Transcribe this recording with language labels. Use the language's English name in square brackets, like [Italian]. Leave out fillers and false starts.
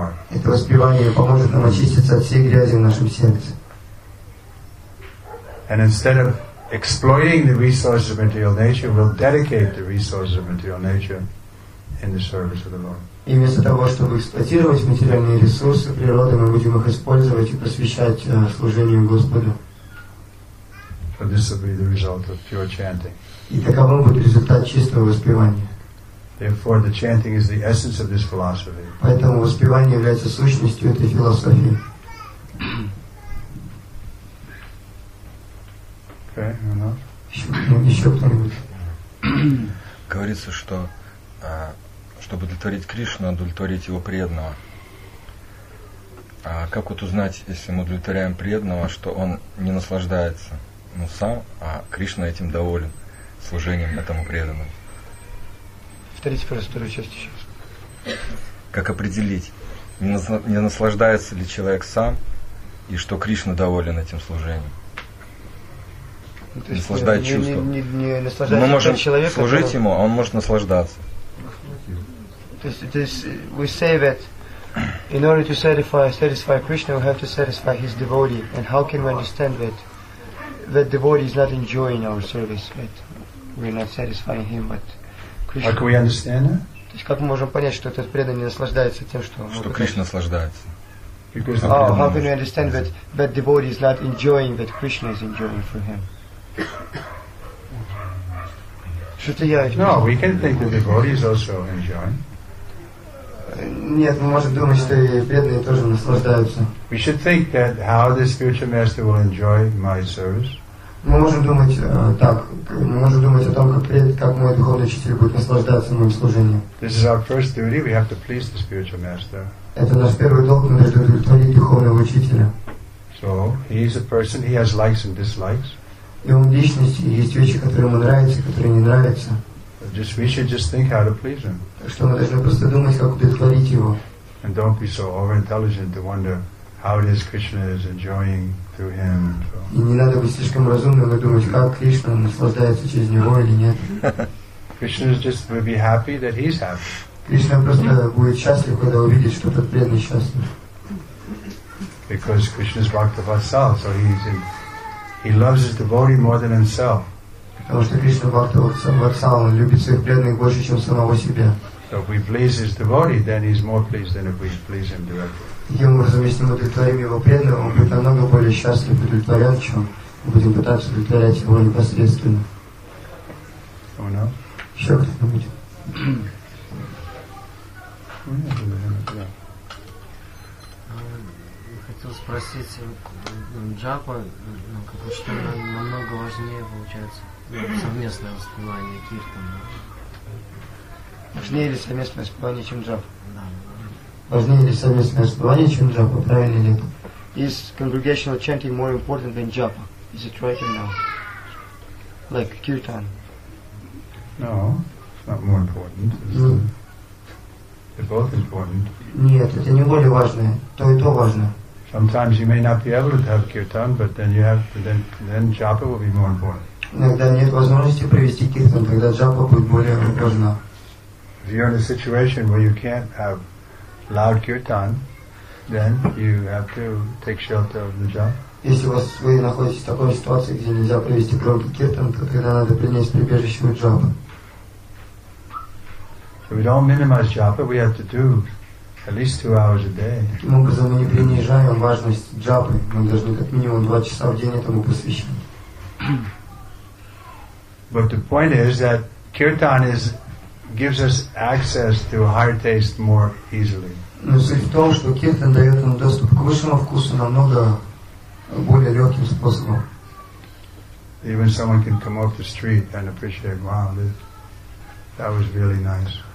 [Russian] Это воспевание поможет нам очиститься от всей грязи в нашем сердце. [English] And instead of exploiting the resources of material nature, we'll dedicate the resources of material nature in the service of the Lord. [Russian] И вместо того, чтобы эксплуатировать материальные ресурсы природы, мы будем их использовать и посвящать служению Господу. [English] So this will be the result of pure chanting. [Russian] И таковым будет результат чистого воспевания. [English] Therefore, the chanting is the essence of this philosophy. [Russian] Поэтому воспевание является сущностью этой философии. [English] Okay, [Russian] еще кто-нибудь? Говорится, что чтобы удовлетворить Кришну, надо удовлетворить его преданного. А как вот узнать, если мы удовлетворяем преданного, что он не наслаждается ну, сам, а Кришна этим доволен, служением этому преданному? Повторите, пожалуйста, вторую часть еще раз. Как определить, не наслаждается ли человек сам, и что Кришна доволен этим служением? Наслаждает чувством. Мы можем человек, служить который... ему, а он может наслаждаться. Мы говорим, что [English] in order to satisfy Krishna, we have to satisfy his devotee. And how can we understand that devotee is not enjoying our service, that we're not satisfying him, but Krishna? How can we understand that? [Russian] То есть как мы можем понять, что этот преданный наслаждается тем, что? Что Кришна наслаждается? [English] How can we understand that devotee is not enjoying that Krishna is enjoying for him? [Russian] Что-то я. [English] No, we can think that the devotee is also enjoying. [Russian] Нет, мы можем думать, что и преданные тоже наслаждаются. [English] We should think that how the spiritual master will enjoy my service. [Russian] Мы можем думать так. Мы можем думать о том, как мой духовный учитель будет наслаждаться моим служением. [English] This is our first duty. We have to please the spiritual master. [Russian] Это наш первый долг, мы должны удовлетворить духовного учителя. [English] So he is a person. He has likes and dislikes. [Russian] И он личность, и есть вещи, которые ему нравятся, которые не нравятся. [English] Just we should just think how to please him. [Russian] Что мы должны просто думать, как удовлетворить его. [English] And don't be so over-intelligent to wonder how it is Krishna is enjoying through him. [Russian] И не надо быть слишком разумным и думать, как Кришна наслаждается через него или нет. [English] Krishna just will be happy that he's happy. [Russian] Кришна просто будет счастлив, когда увидит, что тот преданный счастлив. [English] Because Krishna is Bhakta Vatsal, so he loves his devotee more than himself. [Russian] Потому что Кришна Бхактивасал, он любит своих преданных больше, чем самого себя. [English] So if we please his devotee, then he's more pleased than if we please him directly. [Russian] Таким образом, если мы удовлетворим его преданного, он будет намного более счастлив и удовлетворен, чем мы будем пытаться удовлетворять его непосредственно. [English] Oh, no? [Russian] Еще кто-нибудь? Хотел спросить Джапа, что намного важнее получается совместное воспевание киртана. Важнее ли совместное воспевание, чем джапа? Важнее ли совместное воспевание, чем джапа, правильно или нет? [English] Is congregational chanting more important than japa? Is it right or no? Like kirtan? No, it's not more important. They're both important. [Russian] Нет, это не более важное. То и то важно. [English] Sometimes you may not be able to have kirtan, but then you have then japa will be more important. [Russian] Иногда нет возможности провести киртан, тогда джапа будет более важна. [English] If you're in a situation where you can't have loud kirtan, then you have to take shelter of the japa. [Russian] Если у вас вы находитесь в такой ситуации, где нельзя провести громкий киртан, то тогда надо принять прибежище у джапа. [English] So we don't minimize japa, we have to do at least 2 hours a day. [Russian] Таким образом, мы не принижаем важность джапы. Мы должны как минимум 2 часа в день этому посвящать. [English] But the point is that kirtan gives us access to higher taste more easily. [Russian] Но суть в том, что киртан дает нам доступ к высшему вкусу намного более легким способом. [English] Even someone can come off the street and appreciate, wow, that was really nice.